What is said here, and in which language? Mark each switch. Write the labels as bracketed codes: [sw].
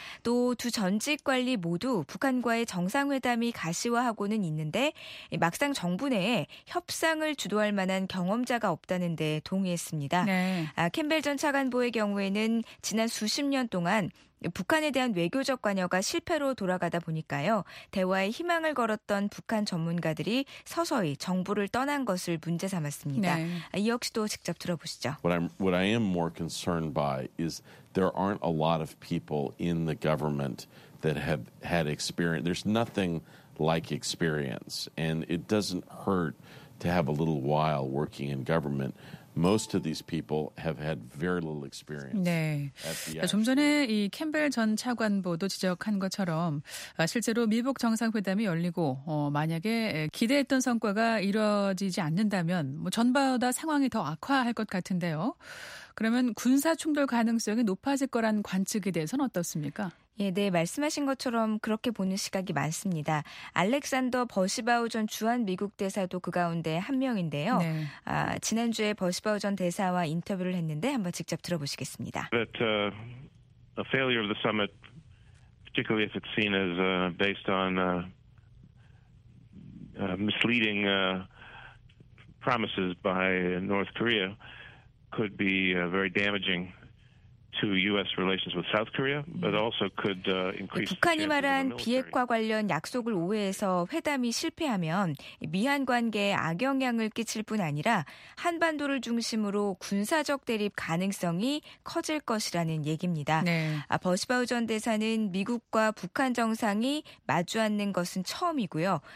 [ko] 또 두 전직 관리 모두 북한과의 정상회담이 가시화하고는 있는데 막상 정부 내에 협상을 주도할 만한 경험자가 없다는 데 동의했습니다. 네. 캠벨 전 차관보의 경우에는 지난 수십 년 동안 북한에 대한 외교적 관여가 실패로 돌아가다 보니까요. 대화에 희망을 걸었던 북한 전문가들이 서서히 정부를 떠난 것을 문제 삼았습니다. 네. 이 역시도 직접 들어보시죠. [en] What I am more concerned by is there aren't a lot of people in the government that have had experience. There's nothing like experience. And it doesn't hurt to have a little while working in government. Most of these people have had very little experience. [ko] 네. 좀 전에 이 캠벨 전 차관보도 지적한 것처럼 실제로 미북 정상회담이 열리고 만약에 기대했던 성과가 이루어지지 않는다면 뭐 전보다 상황이 더 악화할 것 같은데요. 그러면 군사 충돌 가능성이 높아질 거란 관측에 대해서는 어떻습니까? 예, 네, 말씀하신 것처럼 그렇게 보는 시각이 많습니다. 알렉산더 버시바우 전 주한미국 대사도 그 가운데 한 명인데요. 네. 지난주에 버시바우 전 대사와 인터뷰를 했는데 한번 직접 들어보시겠습니다. [en] That a failure of the summit, particularly if it's seen as based on misleading promises by North Korea, could be very damaging. To U.S. relations with South Korea, but also could increase. [ko] 북한이 말한 비핵화 관련 약속을 오해해서 회담이 실패하면 미한 관계에 악영향을 끼칠 뿐 아니라 한반도를 중심으로 군사적 대립 가능성이 커질 것이라는 얘기입니다. 네. 버시바우 전 대사는 미국과 북한 정상이 마주앉는 것은 처음이고요.